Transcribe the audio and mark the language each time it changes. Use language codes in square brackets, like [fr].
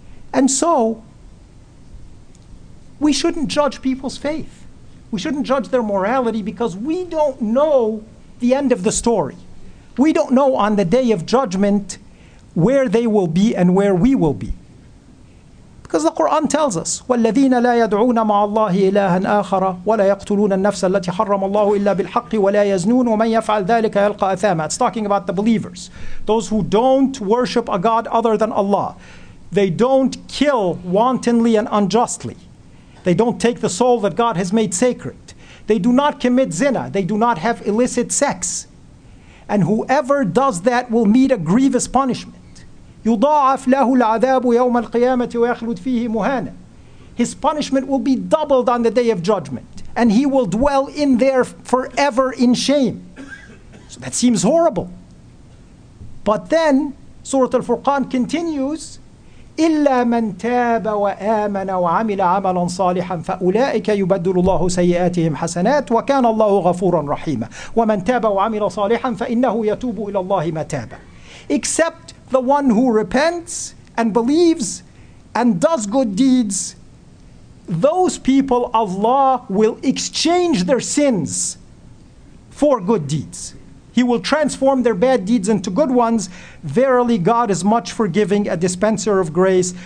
[en] And so, we shouldn't judge people's faith. We shouldn't judge their morality because we don't know the end of the story. We don't know on the Day of Judgment where they will be and where we will be. Because the Quran tells us, [ar] وَالَّذِينَ لَا يَدْعُونَ مَعَ اللَّهِ إِلَٰهًا آخَرَ وَلَا يَقْتُلُونَ النَّفْسَ الَّتِي حَرَّمَ اللَّهُ إِلَّا بِالْحَقِّ وَلَا يَزْنُونَ وَمَنْ يَفْعَلْ ذَلِكَ يَلْقَ أَثَامًا. [en] It's talking about the believers, those who don't worship a God other than Allah. They don't kill wantonly and unjustly. They don't take the soul that God has made sacred. They do not commit zina. They do not have illicit sex. And whoever does that will meet a grievous punishment. [ar] يُضَاعَفْ لَهُ الْعَذَابُ يَوْمَ الْقِيَامَةِ وَيَخْلُدْ فِيهِ مُهَانًا. [en] His punishment will be doubled on the Day of Judgment. And he will dwell in there forever in shame. So that seems horrible. But then Surah Al-Furqan continues, [ar] إِلَّا مَنْ تَابَ وَآمَنَ وَعَمِلَ عَمَلًا صَالِحًا فَأُولَئِكَ يُبَدُّلُ اللَّهُ سَيِّئَاتِهِمْ حَسَنَاتٍ وَكَانَ اللَّهُ غَفُورًا رَحِيمًا وَمَنْ تَابَ وَعَمِلَ صَالِحًا فَإِنَّهُ يَتُوبُ إِلَى اللَّهِ مَتَابًا. [en] Except the one who repents and believes and does good deeds, those people Allah will exchange their sins for good deeds. He will transform their bad deeds into good ones. Verily, God is much forgiving, a dispenser of grace.